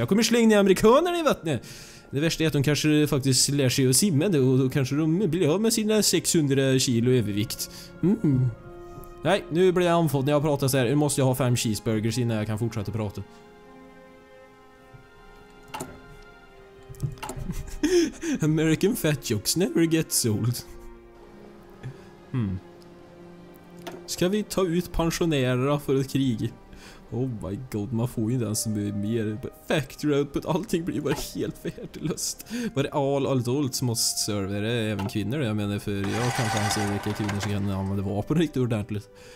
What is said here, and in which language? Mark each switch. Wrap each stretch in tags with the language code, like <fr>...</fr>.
<sv>Jag kommer slänga ner amerikanerna i vattnet. Det värsta är att de kanske faktiskt lär sig att simma det, och då kanske de blir av med sina 600 kilo övervikt. Mm. Nej, nu blir jag anfådd när jag pratar så här. Nu måste jag ha 5 cheeseburgers innan jag kan fortsätta prata.</sv> <en>American fat jokes never get sold. Hmm.</en> <sv>Ska vi ta ut pensionärerna för ett krig?</sv> <en>Oh my god,</en> <sv>man får ju inte ens mer</sv> <en>factory output.</en> <sv>Allting blir bara helt värdelöst. Bara</sv> <en>all adults</en> <sv>måste serva det, även kvinnor. Jag menar, för jag kanske inte ser vilka kvinnor som kan använda vapen riktigt ordentligt.</sv>